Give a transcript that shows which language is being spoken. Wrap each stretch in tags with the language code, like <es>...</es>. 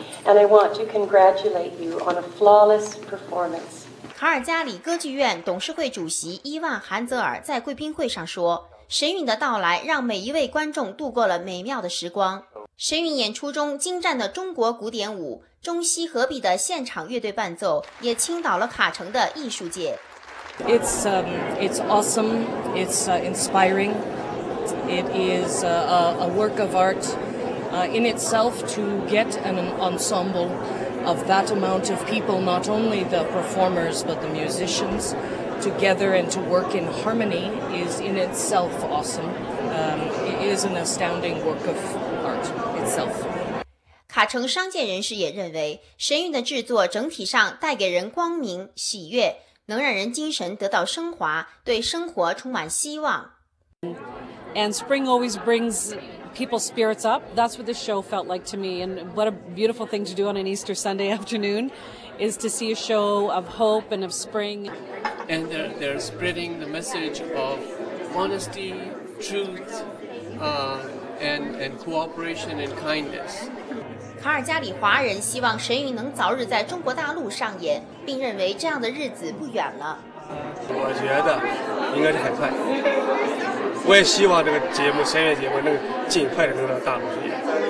<en>And I want to congratulate you on a flawless performance.</en> <zh>卡尔加里歌剧院董事会主席伊万·韩泽尔在贵宾会上说，神韵的到来让每一位观众度过了美妙的时光。神韵演出中精湛的中国古典舞、中西合璧的现场乐队伴奏，也倾倒了卡城的艺术界。</zh> <en>It's awesome. It's inspiring. It is a work of art in itself to get an ensemble of that amount of people, not only the performers but the musicians, together and to work in harmony is in itself awesome. It is an astounding work of art.</en> <zh>卡城商界人士也认为，神韵的制作整体上带给人光明、喜悦，能让人精神得到升华，对生活充满希望。</zh> <en>And spring always brings people's spirits up. That's what the show felt like to me. And what a beautiful thing to do on an Easter Sunday afternoon is to see a show of hope and of spring. And they're spreading the message of honesty, truth. And cooperation and kindness.</en> <zh>卡尔加里华人希望神韵能早日在中国大陆上演，并认为这样的日子不远了。我觉得应该是很快。我也希望这个节目，神韵节目能尽快的能到大陆去演。</zh>